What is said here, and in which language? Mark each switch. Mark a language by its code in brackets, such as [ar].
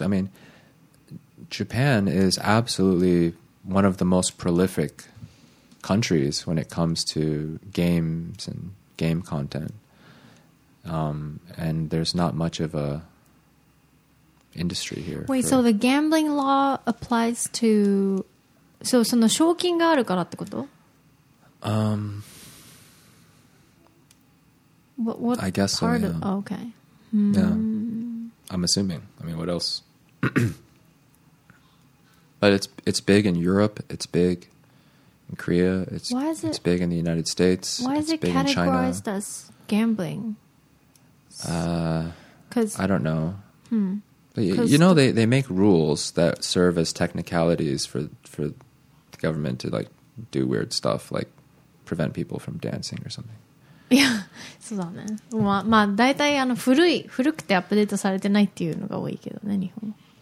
[en] I mean, Japan is absolutely one of the most prolific countries when it comes to games and game content. And there's not much of a industry here. Wait, so the gambling law applies to... [ja] So, その賞金があるからってこと? [en] What I guess part so, yeah. Of, oh, okay. Yeah. I'm assuming. I mean, what else? But it's big in Europe. It's big in Korea. It's big in the United States. Why is it categorized as gambling? I don't know. But you know, they make rules that serve as technicalities for government to like do weird stuff like prevent people from dancing or something. [ja] Yeah, そうだね。まあ、まあ、大体あの古くてアップデートされてないっていうのが多いけどね、日本。